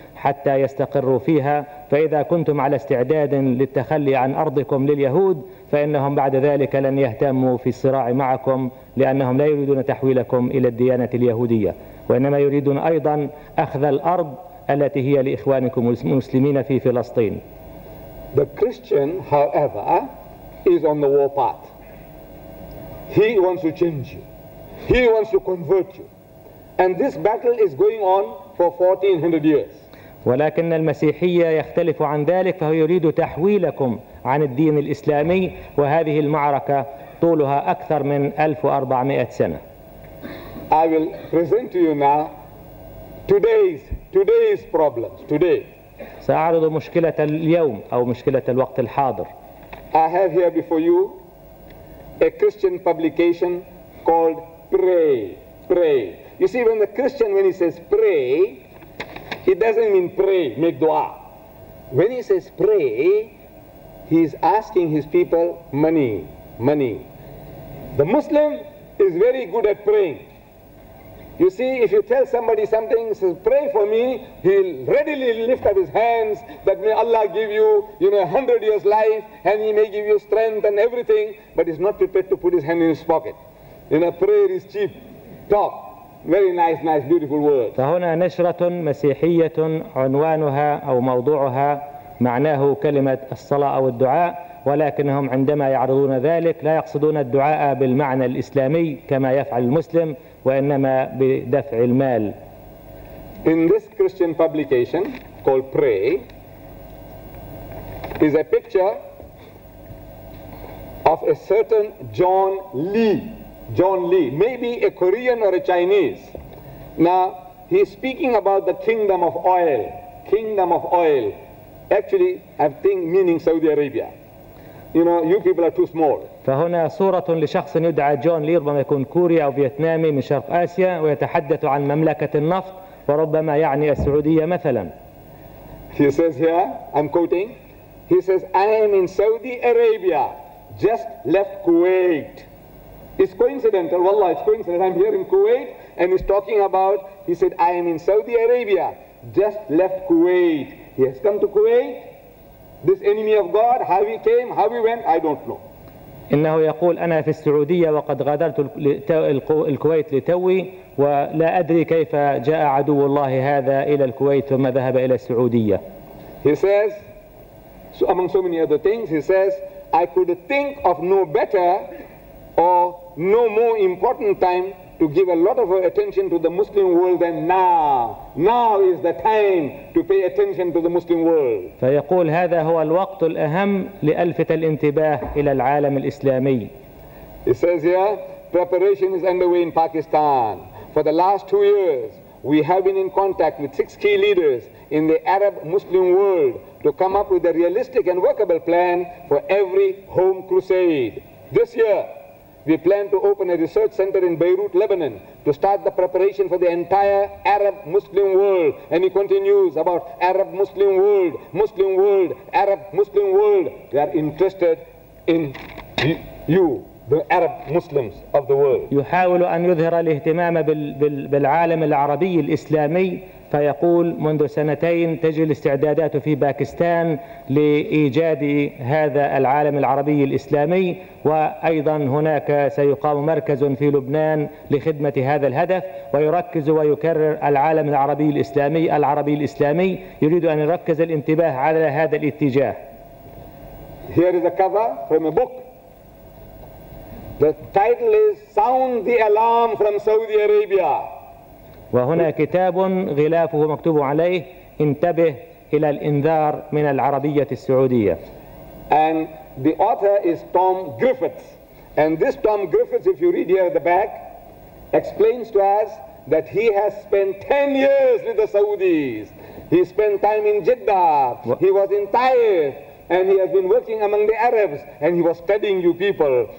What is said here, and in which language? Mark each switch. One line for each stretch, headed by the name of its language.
Arabic: حتى يستقروا فيها فإذا كنتم على استعداد للتخلي عن أرضكم لليهود فإنهم بعد ذلك لن يهتموا في الصراع معكم لأنهم لا يريدون تحويلكم إلى الديانة اليهودية وإنما يريدون أيضا أخذ الأرض التي هي لإخوانكم المسلمين في فلسطين.
English: The Christian, however, is on the war path. He wants to change you. He wants to convert you. And this battle is going on for 1400 years.
Arabic: ولكن المسيحية يختلف عن ذلك، فهو يريد تحويلكم عن الدين الإسلامي، وهذه المعركة طولها أكثر من 1400 سنة.
English: I will present to you now today's problems today.
Arabic: سأعرض مشكلة اليوم أو مشكلة الوقت الحاضر.
English: I have here before you a Christian publication called Pray. You see, when the Christian when he says pray, it doesn't mean pray, make dua. When he says pray, he is asking his people money. The Muslim is very good at praying. You see, if you tell somebody something, he says, pray for me, he'll readily lift up his hands that may Allah give you, you know, 100 years life, and he may give you strength and everything, but he's not prepared to put his hand in his pocket. You know, prayer is cheap. Talk. Very nice, beautiful word.
Arabic: فهنا نشرة مسيحية عنوانها أو موضوعها معناه كلمة الصلاة أو الدعاء، ولكنهم عندما يعرضون ذلك لا يقصدون الدعاء بالمعنى الإسلامي كما يفعل المسلم، وإنما بدفع المال.
English: In this Christian publication called Pray is a picture of a certain John Lee, maybe a Korean or a Chinese. Now, he is speaking about the kingdom of oil, actually, I think, meaning Saudi Arabia. You know, you people are too small.
Arabic: فهنا صورة لشخص يدعى جون لي، ربما يكون كوري أو فيتنامي من شرق آسيا، ويتحدث عن مملكة النفط، وربما يعني السعودية مثلا.
English: He says here, I'm quoting, he says, I am in Saudi Arabia, just left Kuwait. It's coincidental, wallah, it's coincidental. I'm here in Kuwait, and he's talking about, he said, I am in Saudi Arabia, just left Kuwait. He has come to Kuwait, this enemy of God, how he came, how he went, I don't know.
Arabic: إنه يقول أنا في السعودية وقد غادرت الكويت لتوي، ولا أدري كيف جاء عدو الله هذا إلى الكويت ثم ذهب إلى السعودية.
English: He says, so among so many other things, he says, I could think of no better or no more important time to give a lot of attention to the Muslim world than now. Now is the time to pay attention to the Muslim world.
Arabic: فيقول هذا هو الوقت الأهم لألفت الانتباه إلى العالم الإسلامي.
English: It says here, preparation is underway in Pakistan. For the last 2 years, we have been in contact with 6 key leaders in the Arab Muslim world to come up with a realistic and workable plan for every home crusade. This year, we plan to open a research center in Beirut, Lebanon, to start the preparation for the entire Arab Muslim world. And he continues about Arab Muslim world, Muslim world, Arab Muslim world. They are interested in you, the Arab Muslims of the world.
Arabic: يحاول أن يظهر الاهتمام بالعالم العربي الإسلامي. فيقول منذ سنتين تجري الاستعدادات في باكستان لإيجاد هذا العالم العربي الإسلامي، وأيضا هناك سيقام مركز في لبنان لخدمة هذا الهدف، ويركز ويكرر العالم العربي الإسلامي، يريد أن يركز الانتباه على هذا الاتجاه.
English: Here is a cover from a book. The title is Sound the Alarm from Saudi Arabia.
Arabic: وهنا كتاب غلافه مكتوب عليه انتبه إلى الإنذار من العربية السعودية.
English: And the author is Tom Griffiths. And this Tom Griffiths, if you read here at the back, explains to us that he has spent 10 years with the Saudis. He spent time in Jeddah. He was in Taif. And he has been working among the Arabs. And he was studying you people.